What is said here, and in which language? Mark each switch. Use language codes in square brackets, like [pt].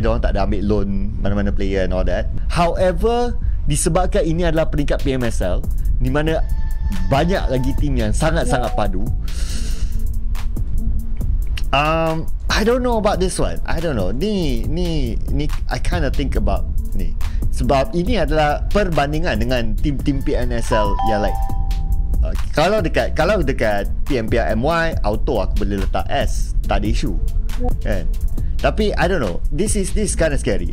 [ms] Diorang tak ada ambil loan mana-mana player and all that. However, disebabkan ini adalah peringkat PMSL, di mana banyak lagi team yang sangat-sangat padu. [en] I don't know about this one. I don't know. Ni, I kind of think about ni. [ms] Sebab ini adalah perbandingan dengan team-team PMSL yang like, kalau dekat PMPR MY auto aku boleh letak S, tak ada isu kan. Tapi [en] I don't know, this kind of scary.